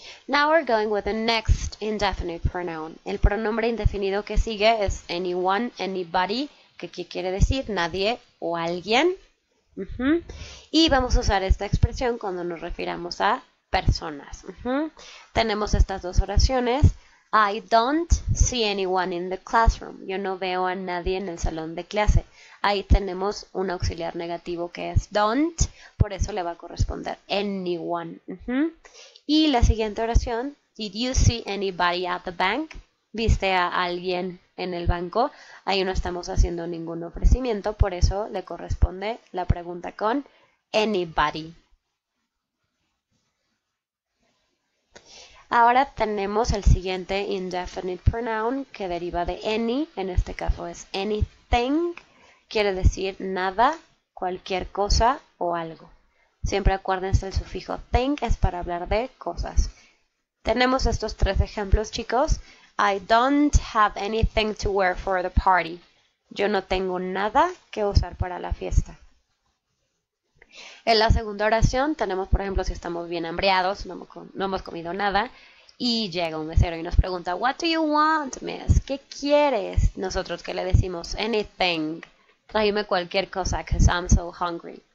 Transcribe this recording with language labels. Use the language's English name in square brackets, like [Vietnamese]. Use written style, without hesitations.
[English] Now we're going with the next indefinite pronoun. [Spanish] El pronombre indefinido que sigue es anyone, anybody, que qué quiere decir nadie o alguien. Y vamos a usar esta expresión cuando nos refiramos a personas. Tenemos estas dos oraciones. [English] I don't see anyone in the classroom. [Spanish] Yo no veo a nadie en el salón de clase. Ahí tenemos un auxiliar negativo que es don't, por eso le va a corresponder anyone. Y la siguiente oración, [English] Did you see anybody at the bank? [Spanish] ¿Viste a alguien en el banco? Ahí no estamos haciendo ningún ofrecimiento, por eso le corresponde la pregunta con anybody. Ahora tenemos el siguiente indefinite pronoun que deriva de any, en este caso es anything, quiere decir nada, cualquier cosa o algo. Siempre acuérdense el sufijo thing es para hablar de cosas. Tenemos estos tres ejemplos, chicos. [English] I don't have anything to wear for the party. [Spanish] Yo no tengo nada que usar para la fiesta. En la segunda oración tenemos, por ejemplo, si estamos bien hambriados, no hemos comido nada, y llega un mesero y nos pregunta, [English] What do you want, miss? [Spanish] ¿Qué quieres? Nosotros que le decimos, Anything. Tráeme cualquier cosa, [English] because I'm so hungry.